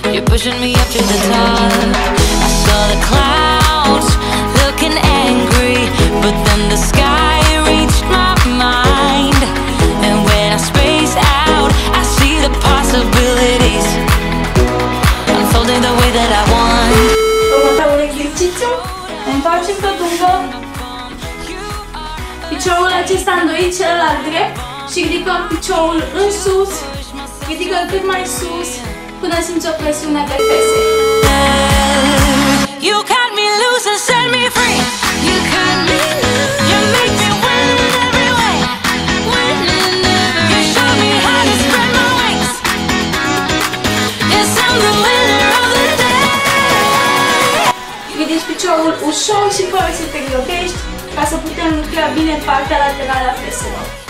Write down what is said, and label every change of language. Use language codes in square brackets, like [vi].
[en] Pushing me up to the top. I saw the clouds looking angry, but then the sky reached my mind. And when I space out, I see the possibilities unfolding the way that I want. [ro] Următorul exercițiu, întoarcem pe dungă, piciorul acesta îndoit celălalt drept și ridicăm piciorul în sus, ridicăm cât mai sus până simți o presiune pe fese. [en] You cut me loose and set me free. You cut me loose. You make me win in every way. Win in every way. You show me how to spread my wings. Yes, I'm the winner of the day. [ro] Ridici piciorul ușor și fără să te îngropești ca să putem lucra bine partea laterală a feselor.